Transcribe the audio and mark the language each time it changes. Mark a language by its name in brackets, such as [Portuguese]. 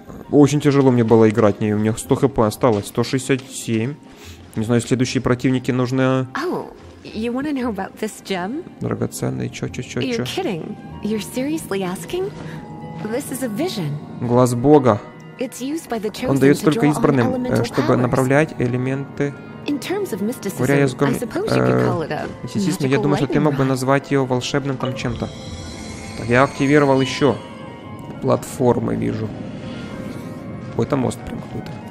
[Russian] Очень тяжело мне было играть в ней. У меня 100 хп осталось, 167. Не знаю, следующие противники нужны. [English] You wanna know about this gem? [Russian] Драгоценный, чё. [English] You're kidding. You're seriously asking? This is a vision. [Russian] Глаз Бога. Он дает только избранным, чтобы направлять элементы. Говоря языком мистицизма, я думаю, что ты мог бы назвать ее волшебным там чем-то. Так, я активировал еще платформы, вижу. О, это мост прям какой-то.